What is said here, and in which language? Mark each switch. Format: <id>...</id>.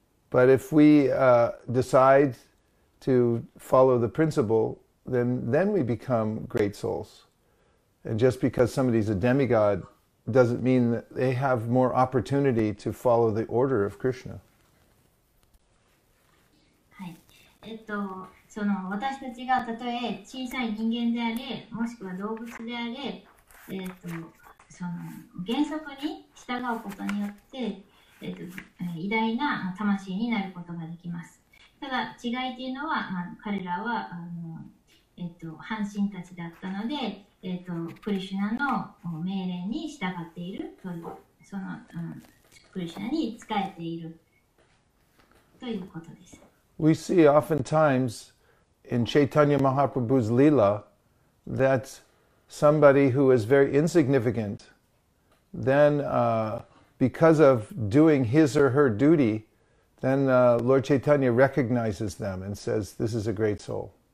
<en>But if we decide to follow the principle, then we become great souls. And just because somebody's a demigod doesn't mean that they have more opportunity to follow the order of Krishna.</en> <ja>はい。その私たちがたとえ小さい人間であれもしくは動物であれ、その原則に従うことによって、偉大な魂になることができます。ただ違いというのは、彼らは半身たちだったので、クリシュナの命令に従っているというその、クリシュナに仕えているということです。</ja> <en>We see oftentimesIn Chaitanya Mahaprabhu's Leela, that somebody who is very insignificant, then because of doing his or her duty, then Then Lord Chaitanya recognizes them and says, this is a great soul.</en>